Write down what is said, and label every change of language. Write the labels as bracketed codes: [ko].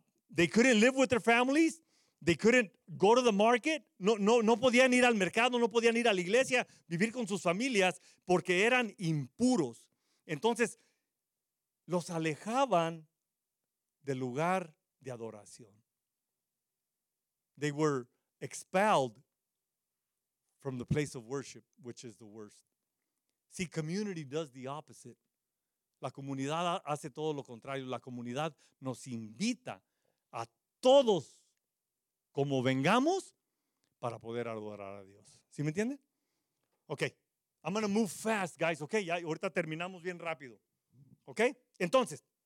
[en] They couldn't live with their families. They couldn't go to the market, [es] no podían ir al mercado, no podían ir a la iglesia, vivir con sus familias porque eran impuros. Entonces, los alejaban del lugar de adoración. [en] They were expelled from the place of worship, which is the worst. See, community does the opposite. [es] La comunidad hace todo lo contrario. La comunidad nos invita a todos como vengamos para poder adorar a Dios. ¿Sí me entienden? Ok. [en] I'm going to move fast, guys. [es] Ok, ya, ahorita terminamos bien rápido. Ok. Entonces,